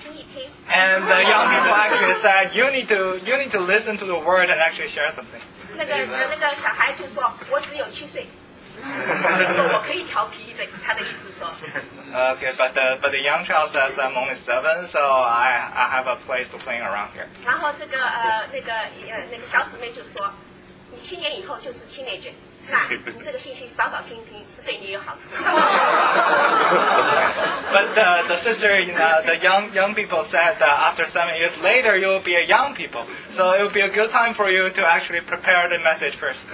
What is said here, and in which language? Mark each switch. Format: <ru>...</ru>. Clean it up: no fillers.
<en>young people</en> <zh>就会说，你也需要听一听。</zh> <en>And the young people actually said, you need to listen to the word and actually share something.</en> <zh>那个小孩就说，我只有七岁。</zh> <en>Okay, but the young child says I'm only 7, so I have a place to play around here. But the sister, the young people said that after 7 years later you will be a young people, so it will be a good time for you to actually prepare the message first.</en>